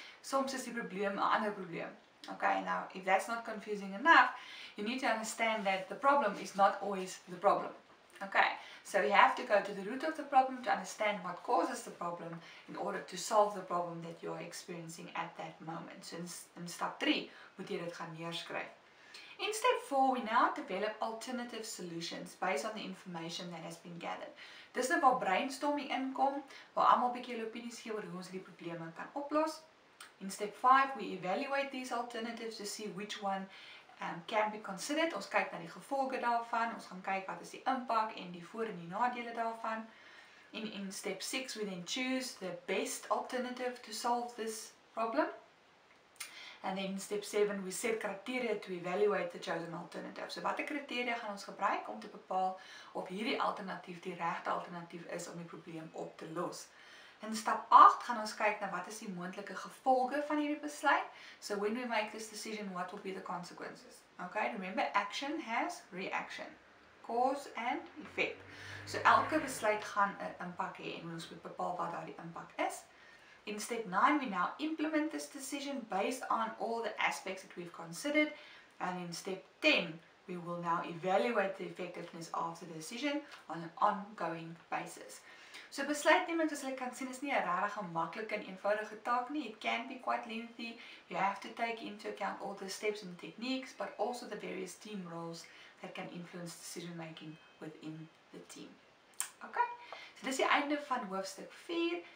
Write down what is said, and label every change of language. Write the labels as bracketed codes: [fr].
[af] Soms is die probleem 'n ander probleem. [en] Okay, now if that's not confusing enough, you need to understand that the problem is not always the problem. Okay. So you have to go to the root of the problem to understand what causes the problem in order to solve the problem that you are experiencing at that moment. [af] So in step 3 moet jy dit gaan neerskryf. [en] In step 4 we now develop alternative solutions based on the information that has been gathered. [af] Dis nou waar brainstorming inkom, waar almal 'n bietjie hul opinies gee oor hoe ons hierdie probleme kan oplos. [en] In step 5 we evaluate these alternatives to see which one can be considered. [af] Ons kyk na die gevolge daarvan, ons gaan kyk wat is die impak en die voor- en die nadele daarvan. [en] En in step 6 we then choose the best alternative to solve this problem. And then in step 7 we set criteria to evaluate the chosen alternative. [af] So watter kriteria gaan ons gebruik om te bepaal of hierdie alternatief die regte alternatief is om die probleem op te los. In stap 8 gaan ons kyk na wat is die moontlike gevolge van hierdie besluit. [en] So when we make this decision, what will be the consequences? Okay, remember action has reaction, cause and effect. [af] So elke besluit gaan 'n impak hê en ons moet bepaal wat daardie impak is. [en] In step 9 we now implement this decision based on all the aspects that we've considered, and in step 10 we will now evaluate the effectiveness of the decision on an ongoing basis. [af] So besluitneming, as jy kan sien, is nie 'n regtig maklike en eenvoudige taak nie. [en] It can be quite lengthy. You have to take into account all the steps and techniques, but also the various team roles that can influence decision making within the team. Okay? [af] So dis die einde van hoofstuk 4.